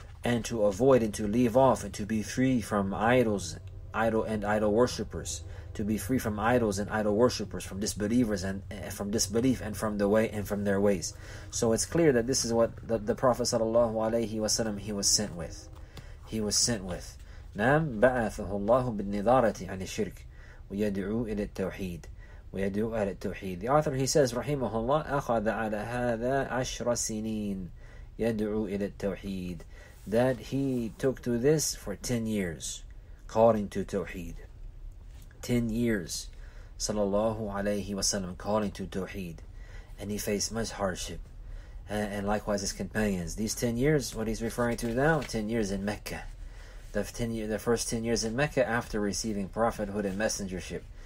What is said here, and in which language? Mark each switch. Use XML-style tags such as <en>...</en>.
<en>and to avoid and to leave off and to be free from idols, idol worshippers, to be free from idols and idol worshippers, from disbelievers and from disbelief and from the way and from their ways. So it's clear that this is what the Prophet sallallahu alayhi wasallam, he was sent with. He was sent with.</en> <ar>نعم بعثه الله بالنظارة عن الشرك ويدعو إلى التوحيد ويدعو إلى التوحيد.</ar> <en>The author, he says,</en> <ar>رحمه الله أخذ على هذا عشر سنين يدعو إلى التوحيد.</ar> <en>That he took to this for 10 years, calling to Tawheed. 10 years, sallallahu alayhi wasallam, calling to Tawheed, and he faced much hardship, and likewise his companions. These 10 years, what he's referring to now, 10 years in Mecca. The first 10 years in Mecca after receiving prophethood and messengership.</en>